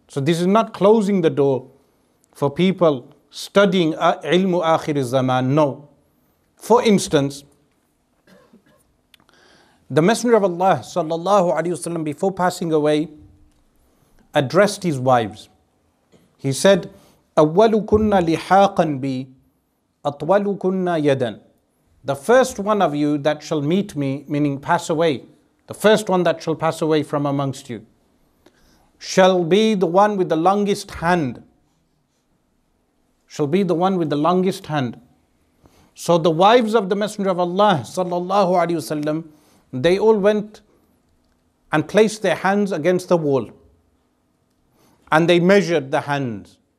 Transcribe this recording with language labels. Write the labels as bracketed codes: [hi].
[en] So this is not closing the door for people studying ilmu akhir zaman, no. For instance, the Messenger of Allah sallallahu alaihi wasallam, before passing away, addressed his wives. He said, [ar] أَوَّلُكُنَّ لِحَاقًا بِي أَطْوَلُكُنَّ يَدًا. [en] The first one of you that shall meet me, meaning pass away, the first one that shall pass away from amongst you, shall be the one with the longest hand. Shall be the one with the longest hand. So the wives of the Messenger of Allah sallallahu alaihi wasallam, they all went and placed their hands against the wall and they measured the hands.